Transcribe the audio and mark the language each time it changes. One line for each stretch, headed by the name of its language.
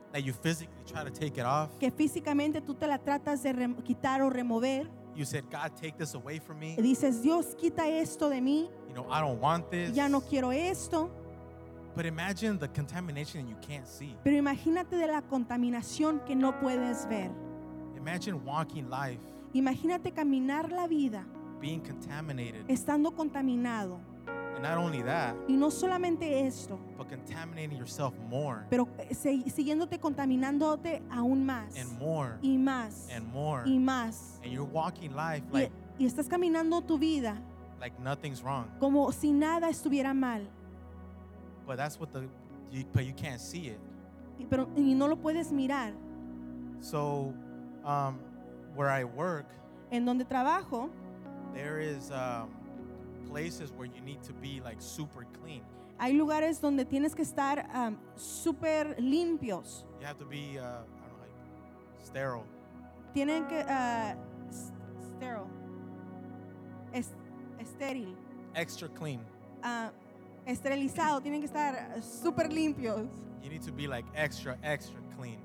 English: That you physically try to take it off.
Spanish: Que físicamente tú te la tratas de quitar o remover.
English: You said, God, take this away from me.
Spanish: Dices, Dios, quita esto de mí.
English: You know, I don't want this.
Spanish: Ya no quiero esto.
English: But imagine the contamination that you can't see.
Spanish: Pero imagínate de la contaminación que no puedes ver.
English: Imagine walking life.
Spanish: Imagínate caminar la vida.
English: Being contaminated.
Spanish: Estando contaminado.
English: And not only that,
Spanish: y no solamente esto,
English: but contaminating yourself more,
Spanish: pero siguiéndote contaminándote aún más,
English: and more,
Spanish: y más,
English: and more,
Spanish: y más,
English: and you're walking life
Spanish: y,
English: like,
Spanish: y estás caminando tu vida,
English: like nothing's wrong,
Spanish: como si nada estuviera mal,
English: but that's what but you can't see it,
Spanish: pero y no lo puedes mirar,
English: so, where I work,
Spanish: en donde trabajo,
English: there is places where you need to be like super clean.
Spanish: Hay lugares donde tienes que estar super limpios.
English: You have to be I don't know, like sterile.
Spanish: Tienen que sterile. Estéril.
English: Extra clean.
Spanish: Esterilizado, tienen que estar super limpios.
English: You need to be like extra extra clean.